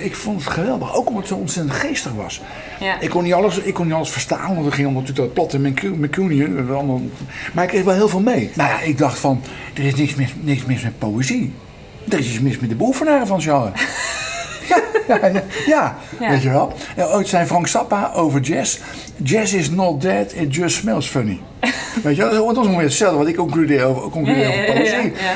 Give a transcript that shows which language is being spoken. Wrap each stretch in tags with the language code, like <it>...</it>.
<nl>Ik vond het geweldig, ook omdat hij zo ontzettend geestig was. Ja. Ik kon niet alles verstaan, want er ging natuurlijk dat platte Mancunian. Maar ik kreeg wel heel veel mee. Nou ja, ik dacht van, er is niks mis met poëzie. Er is iets mis met de beoefenaren van genre. Weet je wel. En ooit zei Frank Zappa over jazz.</nl> <en>Jazz is not dead, it just smells funny.</en> <nl>Weet je wel, dat was ongeveer hetzelfde wat ik concludeer over poëzie.</nl>